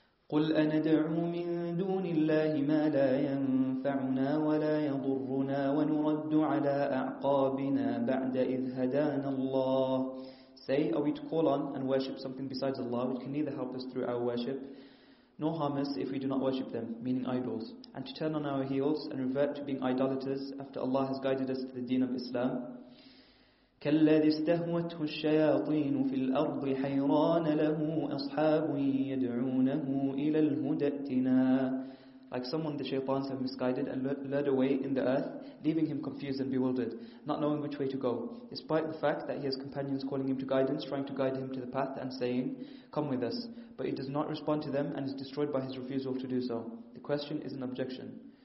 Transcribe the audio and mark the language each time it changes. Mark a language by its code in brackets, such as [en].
[ar] قُلْ أَنَدْعُو مِن دُونِ اللَّهِ مَا لَا يَنْفَعُنَا وَلَا يَضُرُّنَا وَنُرَدُّ عَلَىٰ أَعْقَابِنَا بَعْدَ إِذْ هَدَانَ اللَّهِ. [en] Say, are we to call on and worship something besides Allah which can neither help us through our worship nor harm us if we do not worship them, meaning idols, and to turn on our heels and revert to being idolaters after Allah has guided us to the deen of Islam? [ar] كالذي استهوته الشياطين في الأرض حيران له أصحاب يدعونه إلى الهدى ائتنا. [en] Like someone the shaitans have misguided and led away in the earth, leaving him confused and bewildered, not knowing which way to go, despite the fact that he has companions calling him to guidance, trying to guide him to the path and saying, come with us. But he does not respond to them and is destroyed by his refusal to do so. The question is an objection.